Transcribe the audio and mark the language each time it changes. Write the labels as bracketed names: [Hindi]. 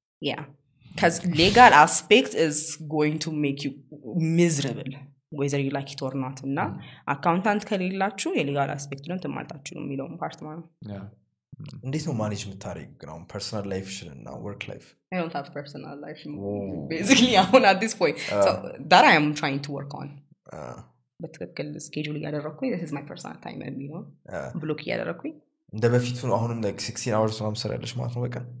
[English] ያ because legal aspect is going to make you miserable whether you like it or not [Amharic] እና አካውንታንት ከሌላችሁ የሌጋል አስፔክት ነው ተማልታችሁ የሚለው ፓርት ማለት ያ እንዴት ነው ማኔጅ የምታደርገው ነው [English] personal life [Amharic] ሽን እና work life [English] I don't have personal life basically I'm at this point so that I am trying to work on [Amharic] በትክክል ስኬጁል ያደረኩኝ [English] this is my personal time and you know [Amharic] ብሎክ ያደረኩኝ እንደ በፊቱ አሁንም [English] like 16 hours [Amharic] ነው ሰራለሽ ማለት ነው በቃ